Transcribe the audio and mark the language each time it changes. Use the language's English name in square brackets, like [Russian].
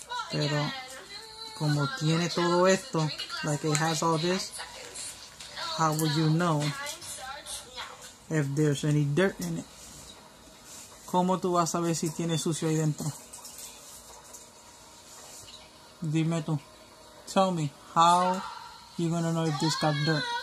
[Spanish] Pero como tiene todo esto, [English] like it has all this, how would you know if there's any dirt in it? [Spanish] ¿Cómo tú vas a ver si tiene sucio ahí dentro? Dime tú. [English] Tell me, how you gonna know if this got dirt?